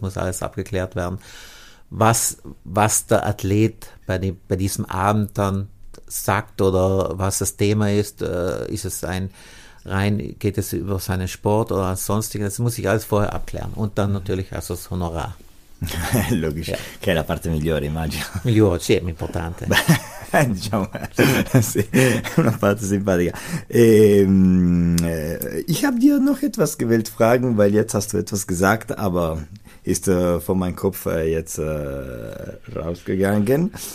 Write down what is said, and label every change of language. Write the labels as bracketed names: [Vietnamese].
[German] Das muss alles abgeklärt werden. Was der Athlet bei diesem Abend dann sagt oder was das Thema ist, ist es ein rein, geht es über seinen Sport oder sonstiges, das muss ich alles vorher abklären. Und dann natürlich also das Honorar. Logisch, ja. [Italian] Che è la parte migliore, immagino. Migliore, sì, è importante. Diciamo, sì, una parte simpatica. [German] Ich habe dir noch etwas gewählt fragen, weil jetzt hast du etwas gesagt, aber ist von meinem Kopf jetzt rausgegangen.